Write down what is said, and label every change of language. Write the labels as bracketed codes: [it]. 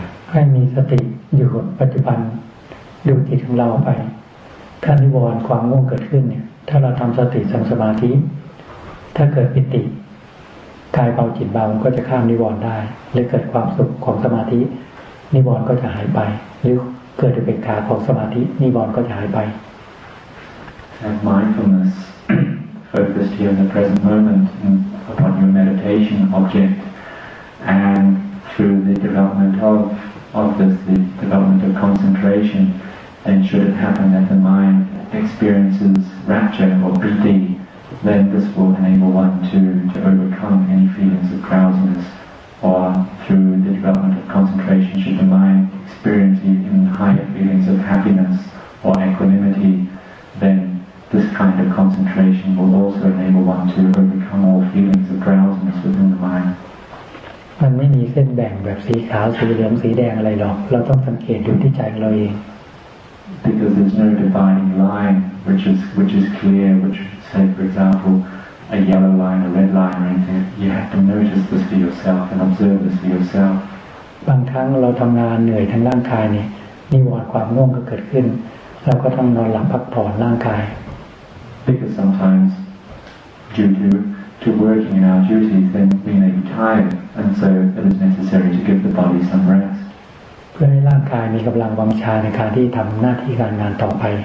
[th] ให้มีสติอยู่กับปัจจุบันดูจิตของเราไปถ้านิวรณ์ความง่วงเกิดขึ้นเนี่ยถ้าเราทำสติทำสมาธิถ้าเกิดปิติกายเบาจิตเบามันก็จะข้ามนิวรณ์ได้หรือเกิดความสุขของสมาธินิวรณ์ก็จะหายไปหรือเกิดอุเบกขาของสมาธินิวรณ์ก็จะหายไป [en] Have mindfulness focused here in the present moment upon your meditation object and through the of this, the development of concentration, then should it happen that the mind experiences rapture or piti, then this will enable one to overcome any feelings of drowsiness. Or through the development of concentration, should the mind experience even higher feelings of happiness or equanimity, then this kind of concentration will also enable one to overcome all feelings of drowsiness within the mind. [th] มันไม่มีเส้นแบ่งแบบสีขาวสีเหลืองสีแดงอะไรหรอกเราต้องสังเกตดูที่ใจเราเอง [en] because there's no dividing line which is clear which say for example a yellow line a red line or anything you have to notice this for yourself and observe this for yourself [th] บางครั้งเราทำงานเหนื่อยทั้งร่างกายนี่นิวรณ์ความง่วงก็เกิดขึ้นเราก็ต้องนอนหลับพักผ่อนร่างกาย [en] because sometimes due to working in our duties then we may be tiredAnd so it is necessary to give the body some rest. [th] เพื่อให้ร่างกายมีกำลังวังชาในการที่ทำหน้าที่การงานต่อไป